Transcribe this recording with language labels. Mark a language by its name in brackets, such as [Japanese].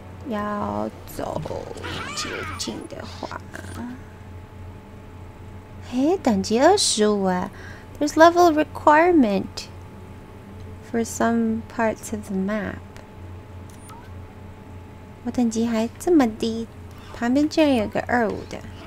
[Chinese] 要走捷径的话，嘿，等级25啊。 [English] There's level requirement for some parts of the map. [Chinese] 我等级还这么低，旁边竟然有个25的。